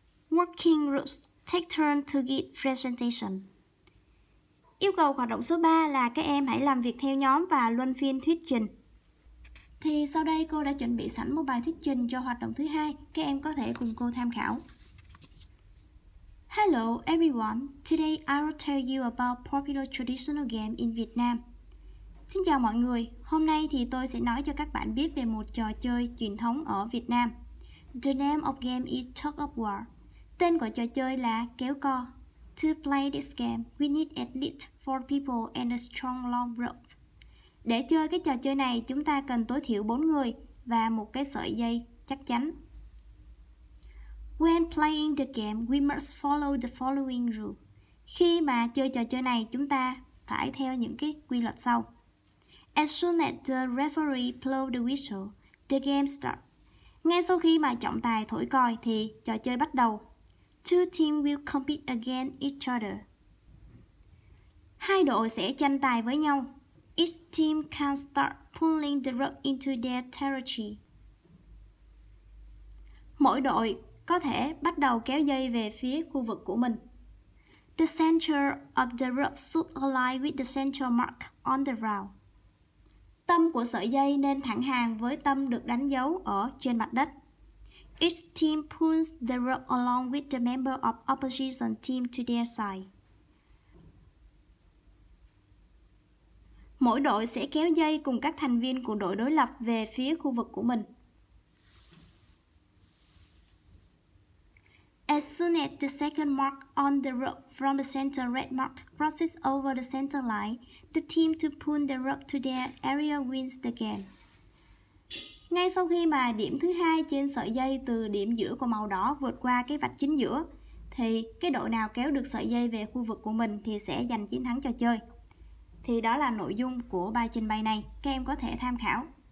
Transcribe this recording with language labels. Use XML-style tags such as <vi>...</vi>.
<en>Working groups take turn to give presentation.</en> <vi>Yêu cầu hoạt động số 3 là các em hãy làm việc theo nhóm và luân phiên thuyết trình. Thì sau đây cô đã chuẩn bị sẵn một bài thuyết trình cho hoạt động thứ 2. Các em có thể cùng cô tham khảo.</vi> <en>Hello everyone, today I will tell you about popular traditional game in Vietnam.</en> <vi>Xin chào mọi người, hôm nay thì tôi sẽ nói cho các bạn biết về một trò chơi truyền thống ở Việt Nam.</vi> <en>The name of game is tug of war.</en> <vi>Tên của trò chơi là kéo co.</vi> <en>To play this game, we need at least 4 people and a strong long rope.</en> <vi>Để chơi cái trò chơi này, chúng ta cần tối thiểu 4 người và một cái sợi dây chắc chắn.</vi> <en>When playing the game, we must follow the following rule.</en> <vi>Khi mà chơi trò chơi này, chúng ta phải theo những cái quy luật sau.</vi> <en>As soon as the referee blows the whistle, the game starts.</en> <vi>Ngay sau khi mà trọng tài thổi còi thì trò chơi bắt đầu.</vi> <en>Two teams will compete against each other.</en> <vi>Hai đội sẽ tranh tài với nhau.</vi> <en>Each team can start pulling the rug into their territory.</en> <vi>Mỗi đội có thể bắt đầu kéo dây về phía khu vực của mình.</vi> <en>The center of the rug should align with the central mark on the round.</en> <vi>Tâm của sợi dây nên thẳng hàng với tâm được đánh dấu ở trên mặt đất.</vi> <en>Each team pulls the rug along with the member of opposition team to their side.</en> <vi>Mỗi đội sẽ kéo dây cùng các thành viên của đội đối lập về phía khu vực của mình.</vi> <en>As soon as the second mark on the rug from the center red mark crosses over the center line, the team to pull the rug to their area wins the game.</en> <vi>Ngay sau khi mà điểm thứ hai trên sợi dây từ điểm giữa của màu đỏ vượt qua cái vạch chính giữa, thì cái đội nào kéo được sợi dây về khu vực của mình thì sẽ giành chiến thắng trò chơi. Thì đó là nội dung của bài trình bày này, các em có thể tham khảo.</vi>